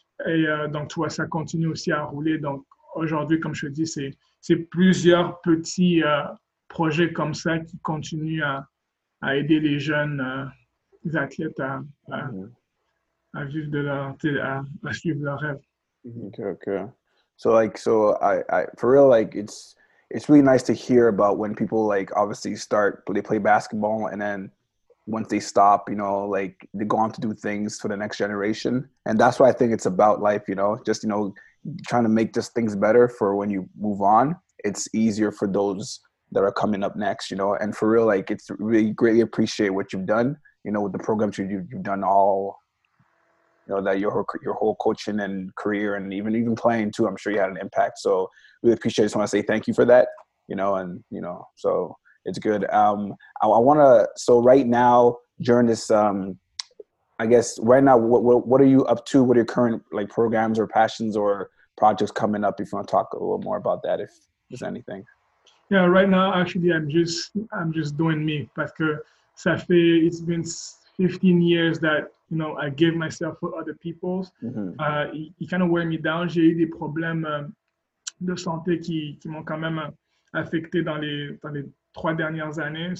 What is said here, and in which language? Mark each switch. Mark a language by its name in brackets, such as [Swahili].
[French] Et donc, tu vois, ça continue aussi à rouler. Donc, aujourd'hui, comme je te dis, c'est plusieurs petits projets comme ça qui continuent à aider les jeunes les athlètes à vivre de leur, à suivre leur rêve. [English] OK. It's really nice to hear about when people like obviously they play basketball and then once they stop, you know, like they go on to do things for the next generation. And that's why I think it's about life, you know, just, you know, trying to make just things better for when you move on, it's easier for those that are coming up next, you know. And for real, like, it's really greatly appreciate what you've done, you know, with the programs you've done all, you know, that your whole coaching and career and even playing too, I'm sure you had an impact. So really appreciate it. Just want to say thank you for that, you know, and, you know, so it's good. I want to, so right now during this, I guess right now, what are you up to? What are your current like programs or passions or projects coming up? If you want to talk a little more about that, if there's anything. Yeah, right now, actually, I'm just doing me, because [French] ça fait, [English] it's been 15 years that, you know, I give myself for other people's. Mm-hmm. It kind of wear me down. [French] J'ai eu des problèmes de santé qui m'ont quand même affecté dans les 3 dernières années.